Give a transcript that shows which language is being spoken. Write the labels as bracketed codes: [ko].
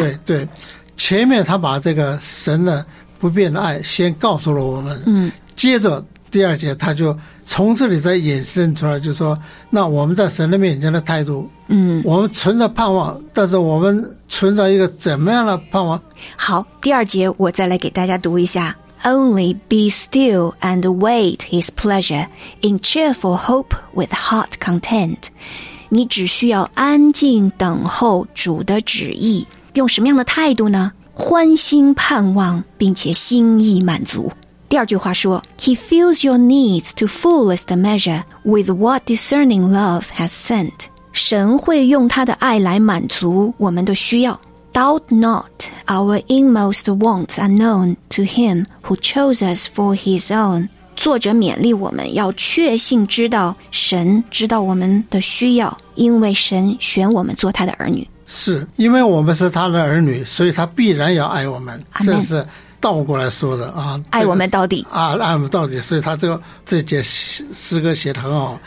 [zh] 对， 对， 对，前面他把这个神的不变的爱先告诉了我们，嗯，接着第二节他就从这里再衍生出来，就是说那我们在神的面前的态度，嗯，我们存着盼望，但是我们存着一个怎么样的盼望。好，第二节我再来给大家读一下。 [en] Only be still and wait his pleasure in cheerful hope with heart content. [zh] 你只需要安静等候主的旨意，用什么样的态度呢？欢欣盼望并且心意满足。第二句话说， [en] He fills your needs to fullest measure with what discerning love has sent. [zh] 神会用他的爱来满足我们的需要。 [en] Doubt not our inmost wants are known to him who chose us for his own. [zh] 作者勉励我们要确信知道神知道我们的需要，因为神选我们做他的儿女。是，因为我们是他的儿女，所以他必然要爱我们。 [en] Amen。 [zh] 这是倒过来说的啊，爱我们到底啊，爱我们到底。所以他这节诗歌写得很好，